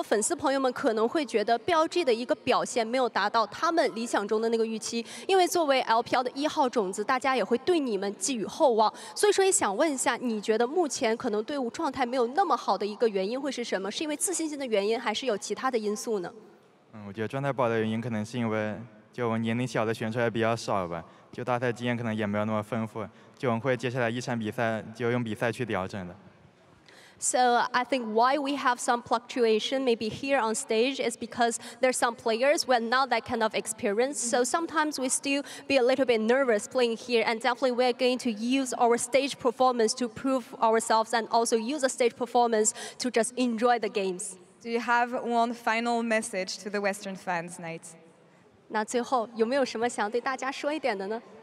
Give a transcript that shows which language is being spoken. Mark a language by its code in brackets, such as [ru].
[zh] 那其实你刚才也提到了是个自信的英雄嘛，那我们来聊一聊自信心的问题。其实很多粉丝朋友们可能会觉得 BLG 的一个表现没有达到他们理想中的那个预期，因为作为 LPL 的一号种子，大家也会对你们寄予厚望。所以说也想问一下，你觉得目前可能队伍状态没有那么好的一个原因会是什么？是因为自信心的原因，还是有其他的因素呢？嗯，我觉得状态不好的原因可能是因为。就年龄小的选手也比较少吧，就大赛经验可能也没有那么丰富，就我们会接下来一场比赛就用比赛去调整的。 [en] So I think why we have some fluctuation maybe here on stage is because there's some players who are not that kind of experienced. So sometimes we still be a little bit nervous playing here, and definitely we're going to use our stage performance to prove ourselves and also use the stage performance to just enjoy the games. Do you have one final message to the Western fans, Knight? [zh] 那最后有没有什么想对大家说一点的呢？